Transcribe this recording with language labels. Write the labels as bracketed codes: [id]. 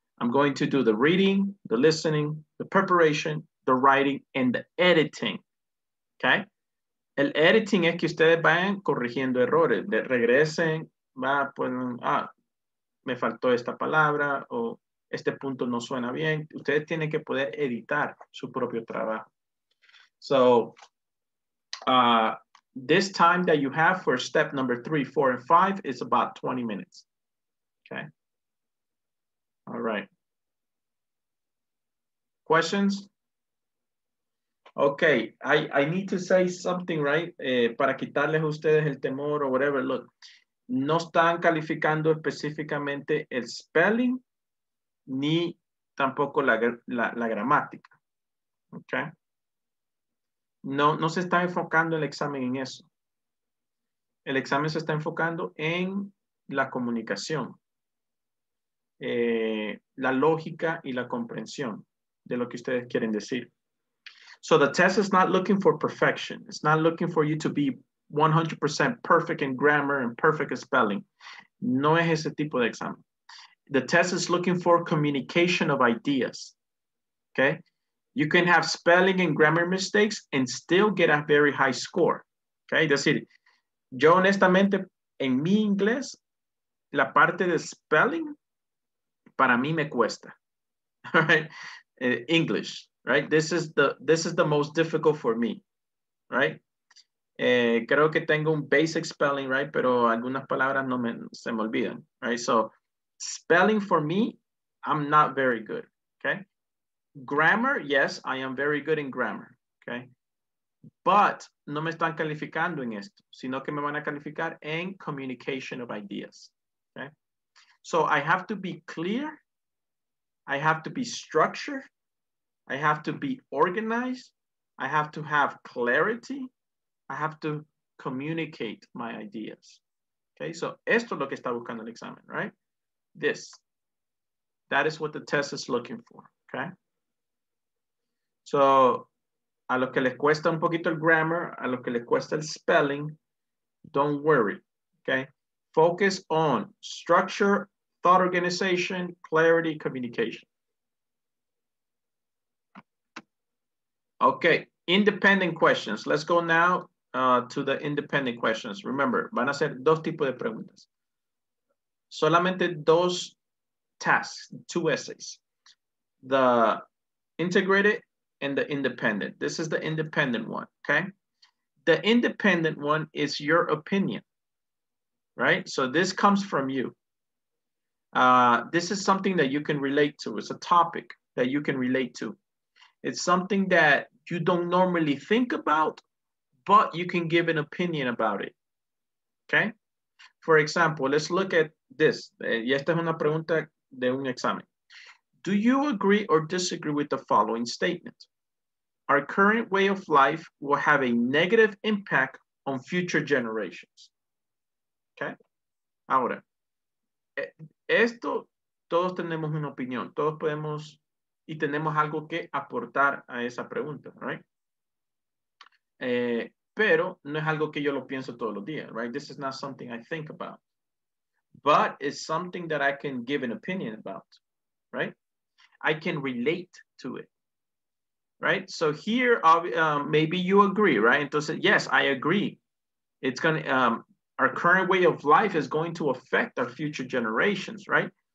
[en] I'm going to do the reading, the listening, the preparation, the writing, and the editing, okay? [es] El editing es que ustedes vayan corrigiendo errores. De regresen, va, pues, ah, me faltó esta palabra, o este punto no suena bien. Ustedes tienen que poder editar su propio trabajo. [en] So, this time that you have for step number 3, 4, and 5 is about 20 minutes. Okay. All right. Questions? Okay, I need to say something, right? [es] Para quitarles a ustedes el temor [en] or whatever. [es] Look, no están calificando específicamente el spelling ni tampoco la gramática. Okay? No se está enfocando el examen en eso. El examen se está enfocando en la comunicación, la lógica y la comprensión de lo que ustedes quieren decir. [en] So the test is not looking for perfection. It's not looking for you to be 100% perfect in grammar and perfect in spelling. [es] No es ese tipo de examen. [en] The test is looking for communication of ideas. Okay? You can have spelling and grammar mistakes and still get a very high score. Okay? [es] Es decir, yo honestamente, en mi inglés, la parte de spelling, para mí me cuesta. [en] All right? English. Right, this is the most difficult for me, right? [es] Creo que tengo un basic spelling, right? Pero algunas palabras se me olvidan, right? [en] So spelling for me, I'm not very good, okay? Grammar, yes, I am very good in grammar, okay? But [es] no me están calificando en esto, sino que me van a calificar en [en] communication of ideas, okay? So I have to be clear, I have to be structured, I have to be organized. I have to have clarity. I have to communicate my ideas. [es] Okay, so esto es lo que está buscando el examen, right? [en] This. That is what the test is looking for, okay? [es] So, a lo que le cuesta un poquito el grammar, a lo que le cuesta el spelling, [en] don't worry, [es] okay? [en] Focus on structure, thought organization, clarity, communication. Okay, independent questions. Let's go now to the independent questions. [es] Remember, van a ser dos tipos de preguntas. Solamente dos tasks, [en] two essays. The integrated and the independent. This is the independent one, okay? The independent one is your opinion, right? So this comes from you. This is something that you can relate to. It's a topic that you can relate to. It's something that you don't normally think about, but you can give an opinion about it, okay? For example, let's look at this. [es] Y esta es una pregunta de un examen. [en] Do you agree or disagree with the following statement? Our current way of life will have a negative impact on future generations, okay? [es] Ahora, esto, todos tenemos una opinión, todos podemos... Y tenemos algo que aportar a esa pregunta, right? Pero no es algo que yo lo pienso todos los días, right? [en] This is not something I think about. But it's something that I can give an opinion about, right? I can relate to it, right? So here, maybe you agree, right? Entonces, yes, I agree. It's gonna, our current way of life is going to affect our future generations, right?